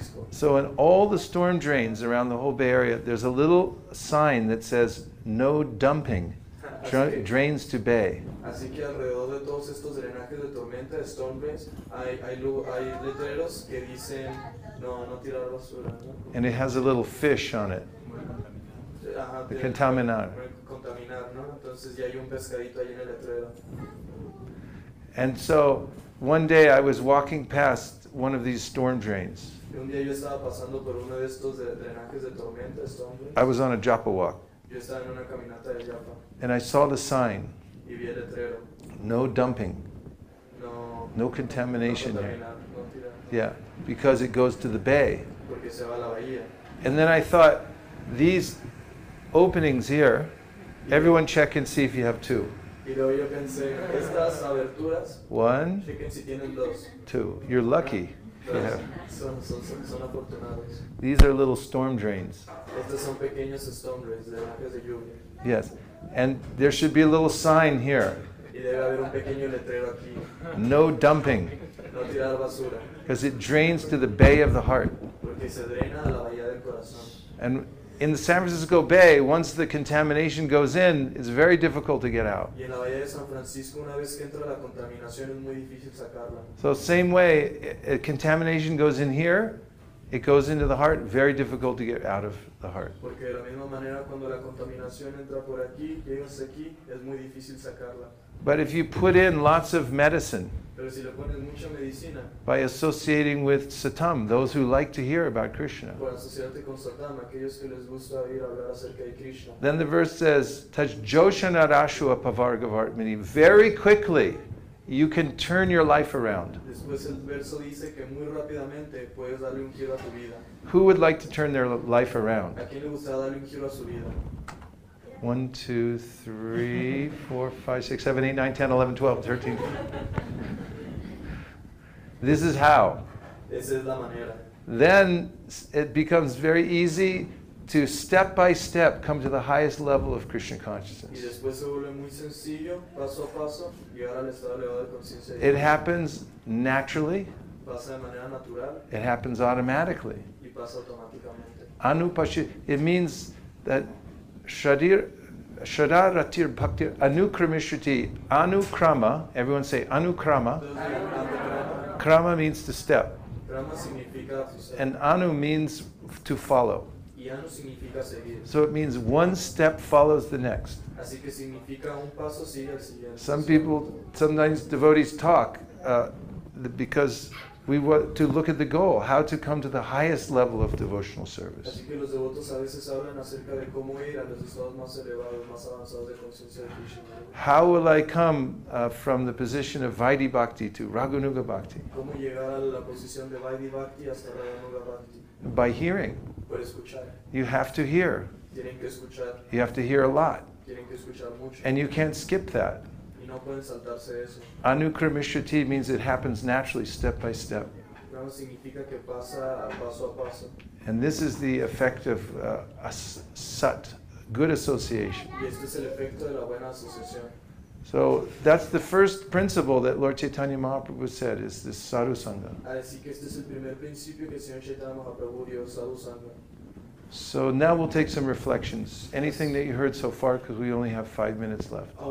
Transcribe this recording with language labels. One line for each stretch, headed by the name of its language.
English: So in all the storm drains around the whole Bay Area, there's a little sign that says, no dumping, drains to bay.
Spanish: Así que alrededor de todos estos drenajes de tormenta, de storm drains, hay letreros que dicen, no tirar basura, ¿no?
English: And it has a little fish on it. The contaminant.
Spanish: Contaminar, ¿no? Entonces ya hay un pescadito ahí en el letrero.
English: And so, one day I was walking past one of these storm drains.
Spanish: Un día yo estaba pasando por uno de estos drenajes de tormenta, storm drains.
English: I was on a Japa walk.
Spanish: Yo estaba en una caminata de Japa.
English: And I saw the sign.
Spanish: Y vi el letrero.
English: No dumping.
Spanish: No
English: contamination.
Spanish: No
English: here.
Spanish: No.
English: Yeah, because it goes to the bay.
Spanish: Porque se va a la bahía.
English: And then I thought, these openings here, everyone check and see if you have two.
Spanish: Y luego yo pensé, estas aberturas,
English: one,
Spanish: chequen si tienen dos.
English: Two. You're lucky.
Spanish: Yeah. Son afortunados.
English: These are little storm drains.
Spanish: Estos son pequeños storm drains, de drenajes de lluvia.
English: Yes. And there should be a little sign here.
Spanish: Y debe haber un pequeño letrero aquí.
English: No dumping.
Spanish: No tirar basura.
English: Because it drains to the bay of the heart.
Spanish: Porque se drena a la bahía del corazón.
English: And in the San Francisco Bay, once the contamination goes in, it's very difficult to get out.
Spanish: Y en la bahía de San Francisco, una vez que entra la contaminación, es muy difícil sacarla.
English: So same way, contamination goes in here, it goes into the heart, very difficult to get out of the heart.
Spanish: Porque de la misma manera, cuando la contaminación entra por aquí, llega hasta aquí, es muy difícil sacarla.
English: But if you put in lots of medicine,
Spanish: pero si le pones mucha medicina,
English: by associating with Satam, those who like to hear about Krishna,
Spanish: por asociarte con Satam, aquellos que les gusta oír hablar acerca de Krishna,
English: then the verse says,
Sanskrit: Taj Joshana Rashua Pavargavartmini,
English: very quickly, you can turn your life around.
Spanish: Después el verso dice que muy rápidamente puedes darle un giro a tu vida.
English: Who would like to turn their life around?
Spanish: ¿A quién le gustaría darle un giro a su vida?
English: 1, 2, 3, 4, 5, 6, 7, 8, 9, 10, 11, 12, 13. This is how.
Spanish: Esa es la manera.
English: Then it becomes very easy to step by step come to the highest level of Krishna consciousness.
Spanish: Y después se vuelve muy sencillo, paso a paso, llegar al estado elevado de conciencia.
English: It happens naturally.
Spanish: Pasa de manera natural.
English: It happens automatically.
Spanish: Y pasa automáticamente.
English: Anupashi, it means that Shadir, Shadar Ratir Bhakti, Anukramishriti, Anukrama, everyone say Anukrama. Krama means to step.
Spanish: Krama significa
English: to step. And Anu means to follow.
Spanish: Y Anu significa seguir.
English: So it means one step follows the next.
Spanish: Así que significa un paso sigue al siguiente.
English: Some people, sometimes devotees talk because we want to look at the goal, how to come to the highest level of devotional service.
Spanish: Así que los devotos a veces hablan acerca de cómo ir a los estados más elevados, más avanzados de conciencia de Krishna.
English: How will I come from the position of Vaidhi Bhakti to Raghunuga Bhakti?
Spanish: ¿Cómo llegar a la posición de Vaidhi Bhakti hasta Raghunuga Bhakti?
English: By hearing.
Spanish: Por escuchar.
English: You have to hear.
Spanish: Tienen que escuchar.
English: You have to hear a lot.
Spanish: Tienen que escuchar mucho.
English: And you can't skip that.
Spanish: Y no pueden saltarse eso.
English: Anukramishati means it happens naturally, step by step.
Spanish: No, significa que pasa paso a paso.
English: And this is the effect of a sat, good association.
Spanish: Y este es el efecto de la buena asociación.
English: So that's the first principle that Lord Chaitanya Mahaprabhu said is this sadhu sangha. So now we'll take some reflections. Anything that you heard so far, because we only have 5 minutes left.